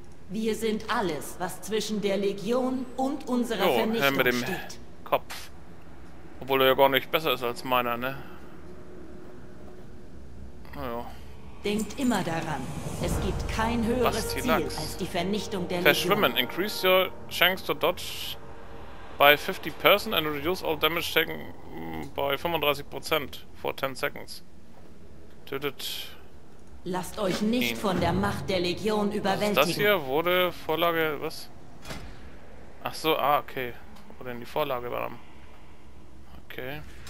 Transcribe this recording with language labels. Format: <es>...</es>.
<de>Wir sind alles, was zwischen der Legion und unserer Vernichtung mit dem steht. Kopf. Obwohl er ja gar nicht besser ist als meiner, ne? Naja. Denkt immer daran, es gibt kein höheres Ziel als die Vernichtung der Verschwimmen. Legion. Verschwimmen.</de> <en>Increase your chance to dodge by 50% and reduce all damage taken by 35% for 10 seconds.</en> <de>Tötet. Lasst euch nicht von der Macht der Legion überwältigen. Das hier wurde Vorlage. Was? Ach so, okay. Wurde in die Vorlage übernommen. Okay.</de>